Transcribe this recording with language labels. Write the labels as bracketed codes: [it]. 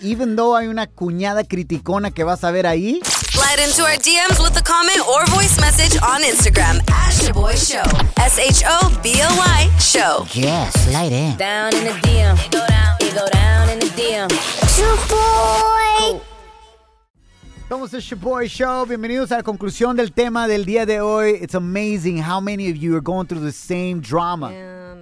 [en] Even though [es] hay una cuñada criticona que vas a ver ahí. [en] Slide into our DMs with a comment or voice message on Instagram at Shaboy Show. S-H-O-B-O-Y Show. Yeah, slide in. Down in the DM. You go down in the DM. Shaboy. [es] Somos el Shaboy Show. Bienvenidos a la conclusión del tema del día de hoy. [en] It's amazing how many of you are going through the same drama.